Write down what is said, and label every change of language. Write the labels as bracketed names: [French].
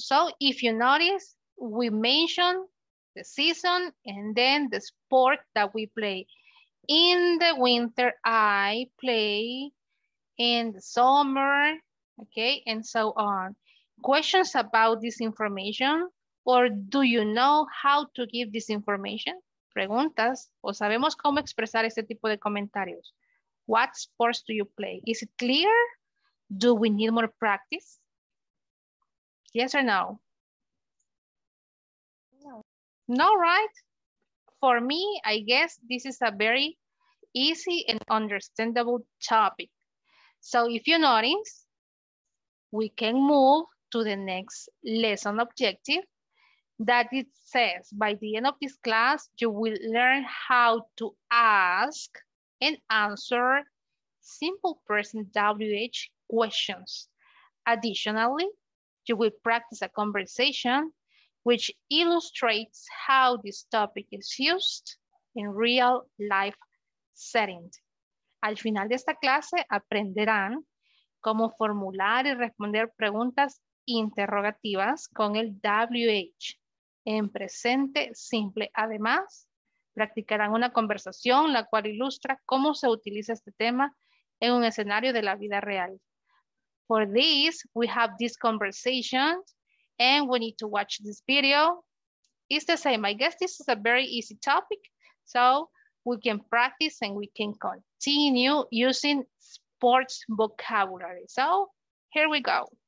[English] So, if you notice, we mentioned the season and then the sport that we play. In the winter, I play. In the summer, okay, and so on. Questions about this information, or do you know how to give this information? [Spanish] Preguntas, o sabemos cómo expresar este tipo de comentarios. [English] What sports do you play? Is it clear? Do we need more practice? Yes or no? No, right? For me, I guess this is a very easy and understandable topic. So if you notice, we can move to the next lesson objective that it says, by the end of this class, you will learn how to ask and answer simple present WH questions. Additionally, you will practice a conversation which illustrates how this topic is used in real life settings. [Spanish] Al final de esta clase, aprenderán cómo formular y responder preguntas interrogativas con el WH en presente simple. Además, practicarán una conversación la cual ilustra cómo se utiliza este tema en un escenario de la vida real. [English] For this, we have this conversation and we need to watch this video. It's the same. I guess this is a very easy topic. So we can practice and we can continue using sports vocabulary. So here we go.